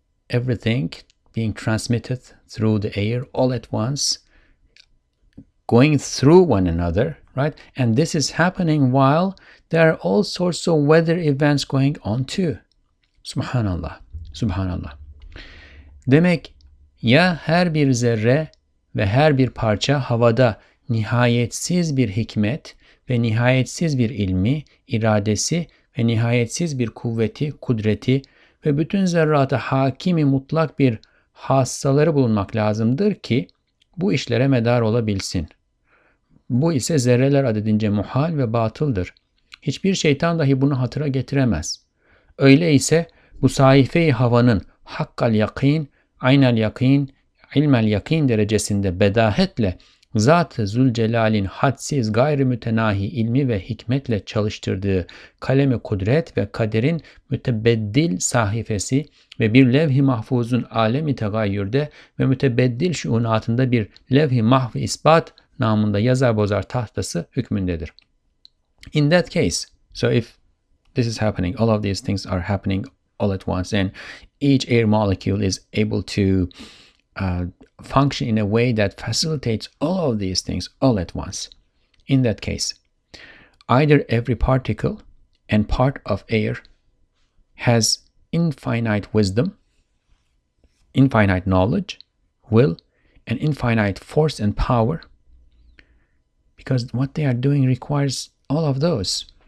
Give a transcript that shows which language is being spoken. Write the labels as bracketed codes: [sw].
[en] Everything being transmitted through the air all at once, going through one another, right? And this is happening while there are all sorts of weather events going on too. [ar] Subhanallah. Subhanallah. [tr] Demek ya her bir zerre ve her bir parça havada nihayetsiz bir hikmet ve nihayetsiz bir ilmi, iradesi ve nihayetsiz bir kuvveti, kudreti ve bütün zerrata hakimi mutlak bir hassaları bulunmak lazımdır ki bu işlere medar olabilsin. Bu ise zerreler adedince muhal ve batıldır. Hiçbir şeytan dahi bunu hatıra getiremez. Öyle ise bu sahife-i havanın hakkal yakin, aynel yakin, ilmel yakin derecesinde bedahetle Zat-ı Zülcelal'in hadsiz gayri mütenahi ilmi ve hikmetle çalıştırdığı kalem-i kudret ve kaderin mütebeddil sahifesi ve bir levh-i mahfuzun alem-i tegayyürde ve mütebeddil şuunatında bir levh-i mahv-i isbat namında yazar bozar tahtası hükmündedir. [en] In that case, so if this is happening, all of these things are happening all at once, and each air molecule is able to function in a way that facilitates all of these things all at once. In that case, either every particle and part of air has infinite wisdom, infinite knowledge, will, and infinite force and power, because what they are doing requires all of those.